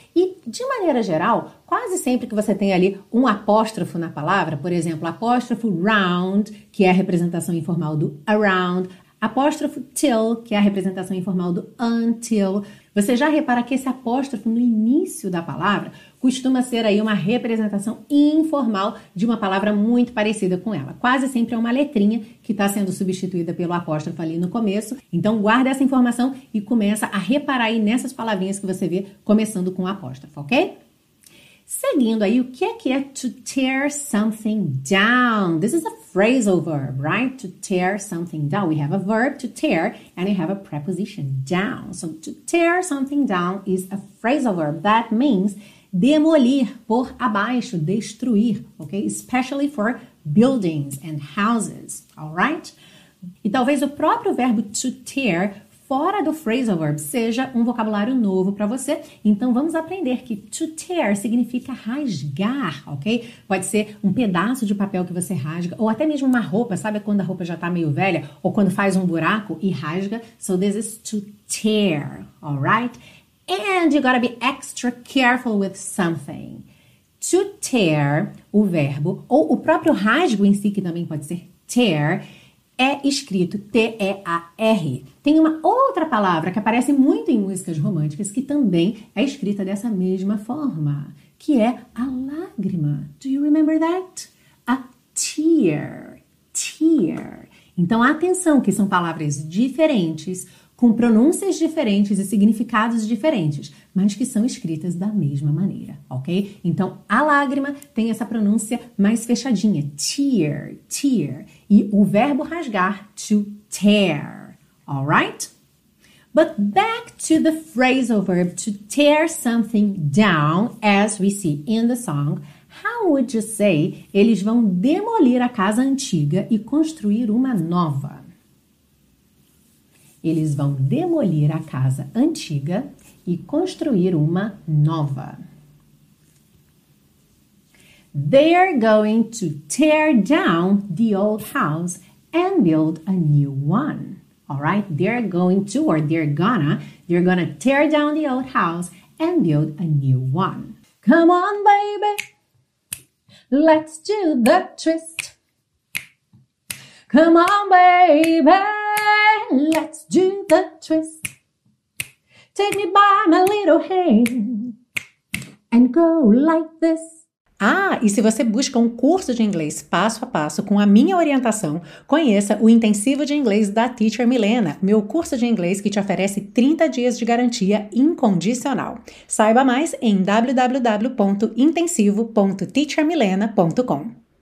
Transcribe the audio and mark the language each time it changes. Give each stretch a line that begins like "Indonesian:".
Portuguese: E, de maneira geral, quase sempre que você tem ali um apóstrofo na palavra, por exemplo, apóstrofo round, que é a representação informal do around, apóstrofo till, que é a representação informal do until, você já repara que esse apóstrofo no início da palavra costuma ser aí uma representação informal de uma palavra muito parecida com ela. Quase sempre é uma letrinha que está sendo substituída pelo apóstrofo ali no começo. Então, guarda essa informação e começa a reparar aí nessas palavrinhas que você vê começando com apóstrofo, ok? Seguindo aí, o que é
English: to tear something down? This is a phrasal verb, right? To tear something down. We have a verb to tear and we have a preposition down. So, to tear something down is a phrasal verb. That means
Portuguese: demolir, pôr abaixo, destruir,
English: ok? Especially for buildings and houses, alright?
Portuguese: E talvez o próprio verbo to tear fora do phrasal verb seja um vocabulário novo para você. Então vamos aprender que to tear significa rasgar, ok? Pode ser um pedaço de papel que você rasga, ou até mesmo uma roupa, sabe quando a roupa já está meio velha? Ou quando faz um buraco e rasga?
English: So this is to tear, alright? And you gotta be extra careful with something.
Portuguese: To tear, o verbo, ou o próprio rasgo em si, que também pode ser tear, é escrito T-E-A-R. Tem uma outra palavra que aparece muito em músicas românticas que também é escrita dessa mesma forma, que é a lágrima.
English: Do you remember that? A tear. Tear.
Portuguese: Então, atenção que são palavras diferentes, com pronúncias diferentes e significados diferentes, mas que são escritas da mesma maneira, ok? Então, a lágrima tem essa pronúncia mais fechadinha, tear, tear, e o verbo rasgar, to tear, alright?
English: But back to the phrasal verb, to tear something down, as we see in the song, how would you say
Portuguese: eles vão demolir a casa antiga e construir uma nova? Eles vão demolir a casa antiga e construir uma nova.
English: They're going to tear down the old house and build a new one. All right? They're going to, or they're gonna tear down the old house and build a new one. Come on, baby. Let's do the twist. Come on, baby. Let's do the twist. Take me by my little hand and go like this.
Portuguese: Ah, e se você busca um curso de inglês passo a passo com a minha orientação, conheça o Intensivo de Inglês da Teacher Milena, meu curso de inglês que te oferece 30 dias de garantia incondicional. Saiba mais em www.intensivo.teachermilena.com.